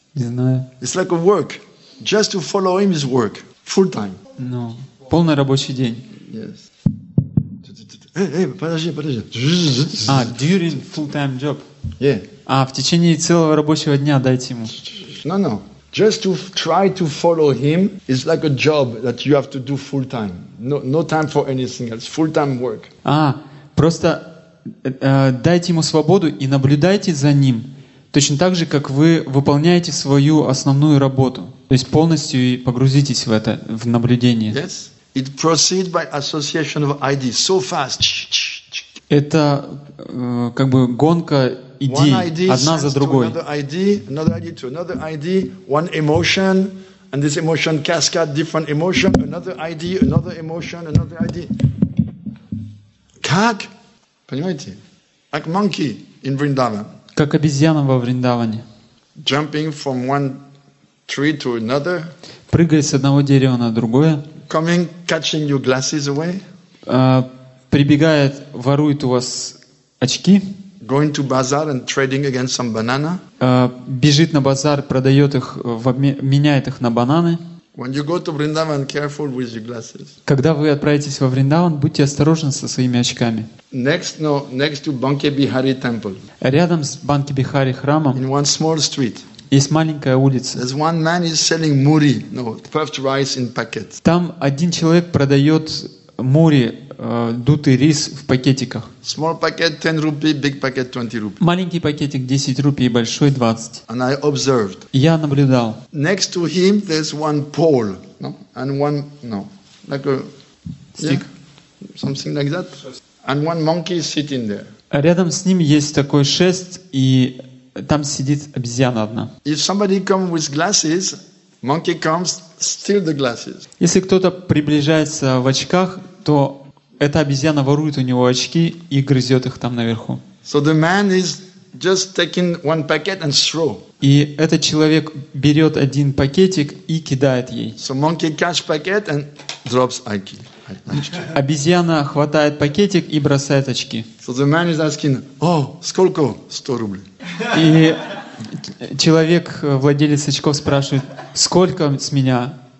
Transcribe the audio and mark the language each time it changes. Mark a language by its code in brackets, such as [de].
[ru] Не знаю. [en] It's like a work. Just to follow him is work. Full-time. [ru] No. Полный рабочий день. Yes. Подожди. [en] During full-time job. Yeah. [ru] В течение целого рабочего дня дайте ему. [en] No. Just to try to follow him is like a job that you have to do full time. No time for anything else. Full time work. [ru] Просто дайте ему свободу и наблюдайте за ним точно так же, как вы выполняете свою основную работу. То есть полностью и погрузитесь в это, в наблюдение. [en] Yes. It proceeds by association of ideas so fast. [ru] Это как бы гонка идей, одна за другой. Как? Понимаете? Как [en] monkey in Vrindavan. [ru] Как обезьяна во Вриндаване. [en] Jumping from one tree to another. [ru] Прыгая с одного дерева на другое. [en] Coming, catching your glasses away. [ru] Прибегает, ворует у вас очки. [en] Going to bazaar and trading against some banana. [ru] Бежит на базар, продает их, меняет их на бананы. [en] When you go to Vrindavan, careful with your glasses. [ru] Когда вы отправитесь во Вриндаван, будьте осторожны со своими очками. [en] Next to Banke Bihari temple. [ru] Рядом с Банке Бихари храмом. [en] In one small street. [ru] Есть маленькая улица. [en] There's one man is selling muri, no, puffed rice in packets. [ru] Там один человек продает мури, дутый рис в пакетиках. [en] Small packet 10 rupee, big packet 20 rupee. [ru] Маленький пакетик 10 рупий, большой 20. [en] And I observed. [ru] Я наблюдал. [en] Next to him there's one pole, no, and one no, like a stick, yeah, something like that. And one monkey is sitting there. [ru] Рядом с ним есть такой шест, и там сидит обезьяна одна. [en] If somebody comes with glasses, monkey comes, steal the glasses. [ru] Если кто-то приближается в очках, то эта обезьяна ворует у него очки и грызет их там наверху. [en] So the man is just taking one packet and throw. [ru] И этот человек берет один пакетик и кидает ей. [en] So monkey catch packet and drops IQ. [ru] Обезьяна хватает пакетик и бросает очки. [en] So the man is asking, oh, [ru] сколько? 100 рублей. И человек, владелец очков, спрашивает, сколько с меня?